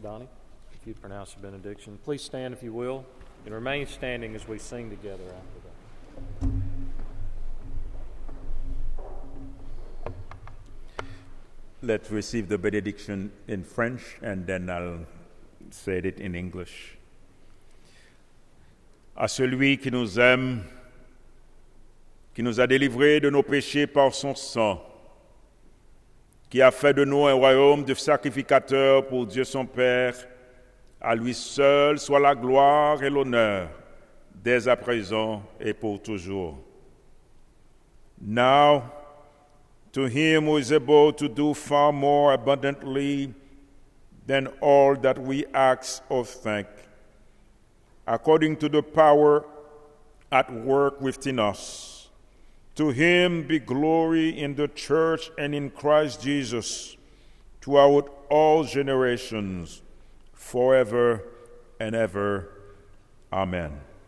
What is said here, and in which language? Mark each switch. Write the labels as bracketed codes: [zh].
[en] Donnie, if you'd pronounce a benediction. Please stand if you will and remain standing as we sing together after that. Let's receive the benediction in French and then I'll say it in English. [fr] À celui qui nous aime, qui nous a délivrés de nos péchés par son sang, qui a fait de nous un royaume de sacrificateurs pour Dieu son Père, à lui seul soit la gloire et l'honneur, dès à présent et pour toujours. [en] Now, to him who is able to do far more abundantly than all that we ask or think, according to the power at work within us, to him be glory in the church and in Christ Jesus throughout all generations, forever and ever. Amen.